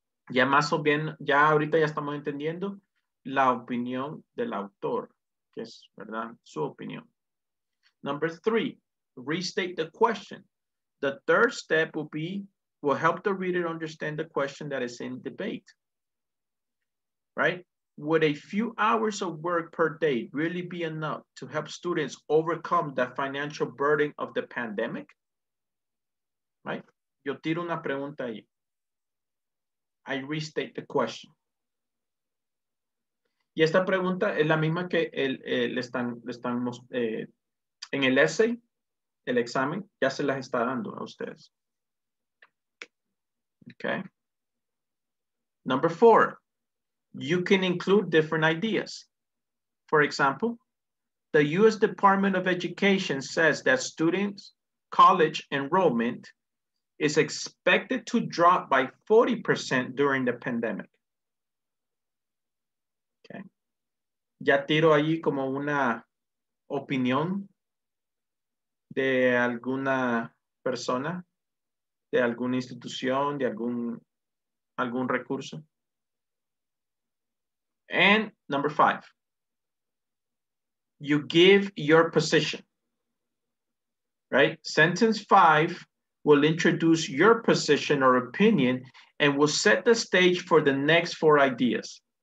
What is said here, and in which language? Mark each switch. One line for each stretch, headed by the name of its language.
Spanish: Ya más o bien, ya ahorita ya estamos entendiendo la opinión del autor, que es, ¿verdad? Su opinión.
English: Number three, restate the question. The third step will help the reader understand the question that is in debate. Right? Would a few hours of work per day really be enough to help students overcome the financial burden of the pandemic?
Spanish: Right? Yo tiro una pregunta ahí.
English: I restate the question.
Spanish: Y esta pregunta es la misma que en el essay, el examen, ya se las está dando a ustedes. Okay.
English: Number four, you can include different ideas. For example, the US Department of Education says that students' college enrollment is expected to drop by 40% during the pandemic. Okay.
Spanish: Ya tiro ahí como una opinión de alguna persona, de alguna institución, de algún recurso.
English: And number five, you give your position, right? Sentence five will introduce your position or opinion and will set the stage for the next four ideas.